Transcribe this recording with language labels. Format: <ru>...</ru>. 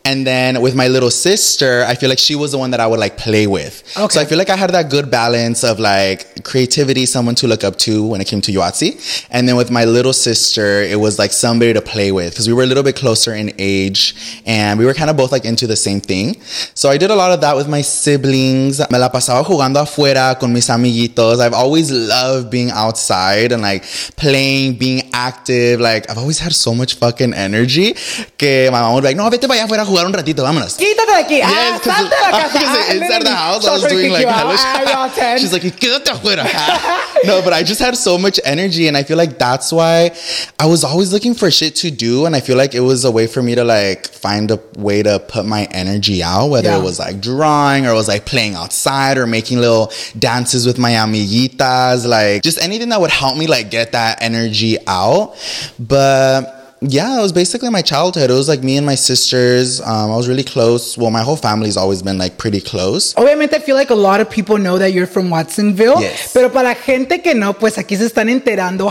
<en>And then with my little sister, I feel like she was the one that I would like play with. Okay. So I feel like I had that good balance of like creativity, someone to look up to when it came to Yoatsi. And then with my little sister, it was like somebody to play with, because we were a little bit closer in age and we were kind of both like into the same thing. So I did a lot of that with my siblings.</en> <es>Me la pasaba jugando afuera con mis amiguitos.</es> <en>I've always loved being outside and like playing, being active. Like I've always had so much fucking energy que my mom would be like, no,</en> <es>vete para allá afuera a jugar un ratito, vámonos. Quítate de aquí. Yes, salte de la casa.</es> <en>Inside the house, I was doing like hellish. She's like,</en> <es>quédate afuera.</es> <en>No, but I just had so much energy, and I feel like that's why I was always looking for shit to do, and I feel like it was a way for me to like find a way to put my energy out, whether yeah. it was like drawing or it was like playing outside or making little dances with my amiguitas, like just anything that would help me like get that energy out. But yeah, it was basically my childhood. It was like me and my sisters. I was really close. Well, my whole family's always been like pretty close. Obviamente, I feel like a lot of people know that you're from Watsonville. Yes.</en> <es>Pero para gente que no, pues aquí se están enterando.</es>